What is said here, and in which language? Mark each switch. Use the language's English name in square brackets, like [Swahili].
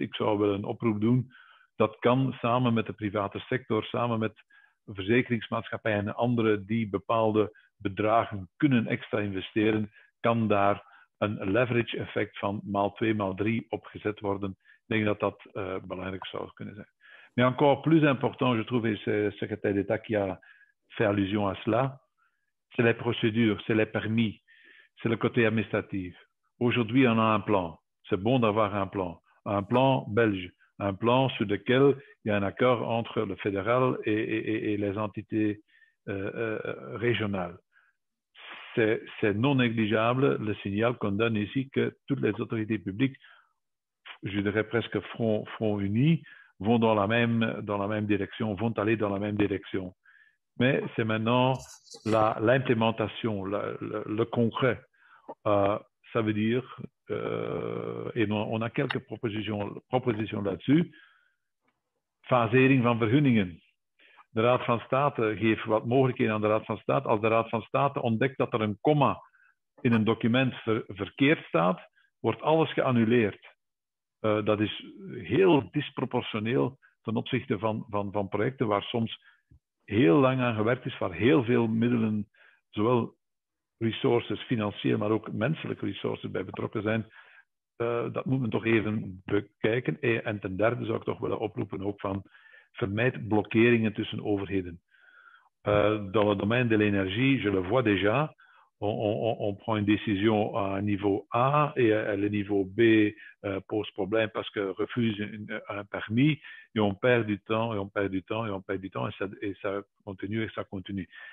[Dutch] Ik zou wel een oproep doen. Dat kan samen met de private sector, samen met verzekeringsmaatschappijen en anderen die bepaalde bedragen kunnen extra investeren, kan daar een leverage effect van maal 2, maal 3 opgezet worden. Ik denk dat dat belangrijk zou kunnen zijn. [French] Mais encore plus important, je trouve, et c'est le secrétaire d'État qui a fait allusion à cela, c'est les procédures, c'est les permis, c'est le côté administratif. Aujourd'hui, on a un plan. C'est bon d'avoir un plan belge, un plan sur lequel il y a un accord entre le fédéral et les entités régionales. C'est non négligeable le signal qu'on donne ici que toutes les autorités publiques, je dirais presque front uni, vont dans la même direction, vont aller dans la même direction. Mais c'est maintenant l'implémentation, le concret. Ça veut dire, et on a quelques propositions là-dessus, [Dutch] phasering van vergunningen. De Raad van State geeft wat mogelijkheden aan de Raad van State. Als de Raad van State ontdekt dat er een comma in een document verkeerd staat, wordt alles geannuleerd. Dat is heel disproportioneel ten opzichte van projecten waar soms heel lang aan gewerkt is, waar heel veel middelen, zowel resources, financieel, maar ook menselijke resources bij betrokken zijn. Dat moet men toch even bekijken. En ten derde zou ik toch willen oproepen ook van vermijd blokkeringen tussen overheden. [French] Dans le domaine de l'énergie, je le vois déjà, on prend une décision à niveau A et le niveau B pose problème parce que refuse un permis et on perd du temps et on perd du temps et on perd du temps et ça continue et ça continue.